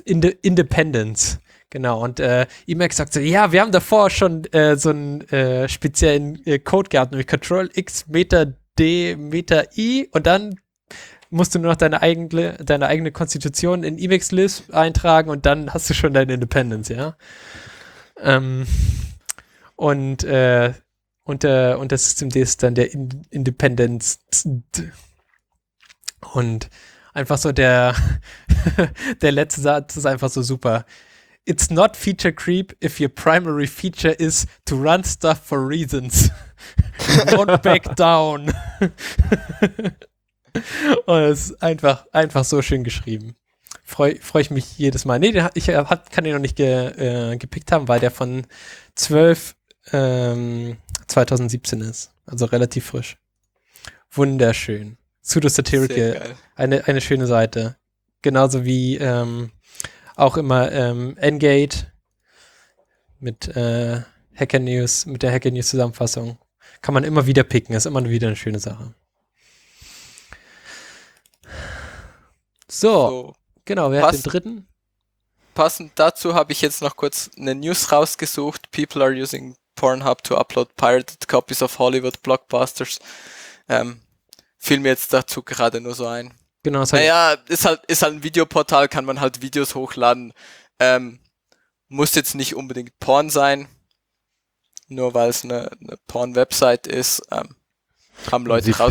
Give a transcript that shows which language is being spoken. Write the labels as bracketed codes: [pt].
[de] Independence, genau. Und Emacs sagt so, ja, wir haben davor schon so einen speziellen Code gehabt, nämlich Ctrl-X, Meta-D, Meta-I, und dann musst du nur noch deine eigene Konstitution in Emacs Lisp eintragen, und dann hast du schon deine Independence, ja. Und unter SystemD ist dann der Independence. Und einfach so der letzte Satz ist einfach so super. [en] It's not feature creep if your primary feature is to run stuff for reasons. Don't back down. [de] Und es ist einfach so schön geschrieben. Freu ich mich jedes Mal. Nee, kann den noch nicht gepickt haben, weil der von 2017 ist. Also relativ frisch. Wunderschön. Pseudo-Satirical, eine schöne Seite. Genauso wie auch immer Engate mit Hacker News, mit der Hacker News Zusammenfassung. Kann man immer wieder picken, ist immer wieder eine schöne Sache. So. Genau, wer hat den dritten? Passend dazu habe ich jetzt noch kurz eine News rausgesucht. [en] People are using Pornhub to upload pirated copies of Hollywood Blockbusters. [de] Fiel mir jetzt dazu gerade nur so ein. Genau. Naja, ist halt ein Videoportal, kann man halt Videos hochladen. Muss jetzt nicht unbedingt Porn sein, nur weil es eine Porn-Website ist. Haben Leute rausgefunden.